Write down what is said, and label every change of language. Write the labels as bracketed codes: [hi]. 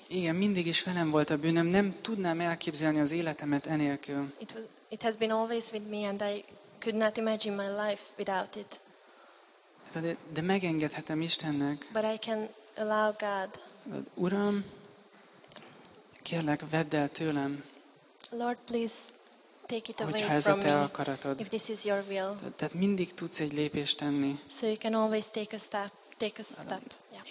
[hu] Igen, mindig is velem volt a bűnöm, nem tudnám elképzelni az életemet enélkül. [en] It has been always with me and I could not imagine my life without it. [hu] De megengedhetem Istennek. [en] But I can allow God. [hu] Uram, kérlek, vedd el tőlem. [en] Lord, please take it away from me. [hu] Ha ez a te akaratod. [en] If this is your will. [hu] Tehát mindig tudsz egy lépést tenni. [en] So you can always take a step. Take a step. Yeah.